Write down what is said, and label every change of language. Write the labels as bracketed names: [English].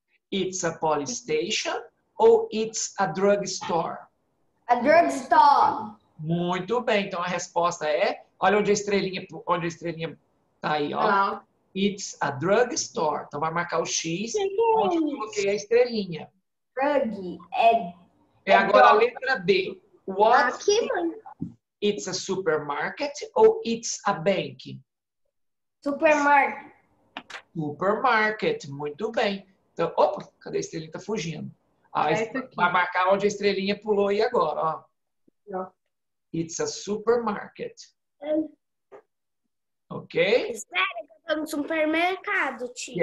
[English] It's a police station or it's a drug store? A drugstore. [Portuguese] Muito bem. Então, a resposta é... Olha onde a estrelinha tá aí, ó. Ah. [English] It's a drugstore. [Portuguese] Então, vai marcar o X onde eu coloquei a estrelinha. [English] Drug. É [Portuguese] agora drug. A letra B. What? Aqui, [English] it's a supermarket ou it's a bank? Supermarket. [Portuguese] Supermarket. Muito bem. Então, opa, cadê a estrelinha? Tá fugindo. Ah, vai marcar onde a estrelinha pulou aí agora, ó. Não. [English] It's a supermarket. Ok? [Portuguese] Espera, que é um supermercado, tio.